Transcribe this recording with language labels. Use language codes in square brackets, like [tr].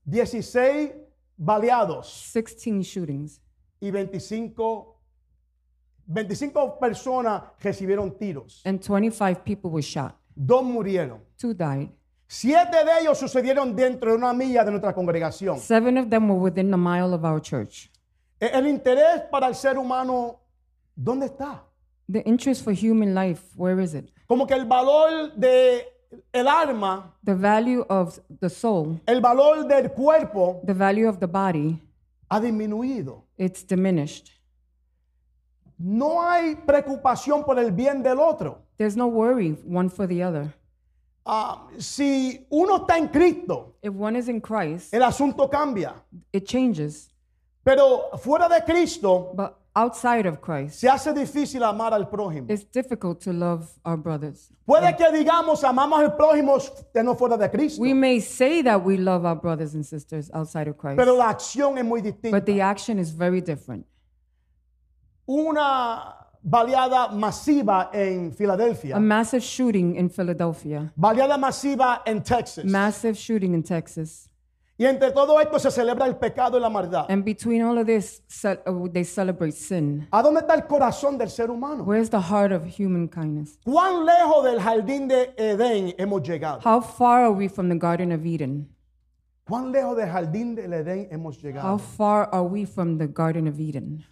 [es] 16 baleados. [en] 16 shootings. [es] Y 25 personas recibieron tiros. [en] And 25 people were shot. [es] Dos murieron. [en] Two died. [es] Siete de ellos sucedieron dentro de una milla de nuestra congregación. [en] Seven of them were within a mile of our church. [es] El interés para el ser humano, ¿dónde está? [en] The interest for human life, where is it? [es] Como que el valor de el alma, [en] the value of the soul, [es] el valor del cuerpo, [en] the value of the body, [es] ha disminuido. [en] It's diminished. [es] No hay preocupación por el bien del otro. [en] There's no worry one for the other. [es] Si uno está en Cristo, [en] if one is in Christ, [es] el asunto cambia. [en] It changes. [es] Pero fuera de Cristo, [en] but outside of Christ, [es] se hace difícil amar al prójimo. [en] It's difficult to love our brothers. [es] Puede que digamos amamos al prójimo que no fuera de Cristo. [en] We may say that we love our brothers and sisters outside of Christ. [es] Pero la acción es muy distinta. [en] But the action is very different. [es] Una baleada masiva en Filadelfia. [en] A massive shooting in Philadelphia. [es] Baleada masiva en Texas. [en] Massive shooting in Texas. [es] Y entre todo esto se celebra el pecado y la maldad. [en] And between all of this, they celebrate sin. [es] ¿A dónde está el corazón del ser humano? [en] Where's the heart of humankindness? [es] ¿Cuán lejos del jardín de Edén hemos llegado? [en] How far are we from the Garden of Eden? [es] ¿Cuán lejos del jardín del Edén hemos llegado? [en] How far are we from the Garden of Eden?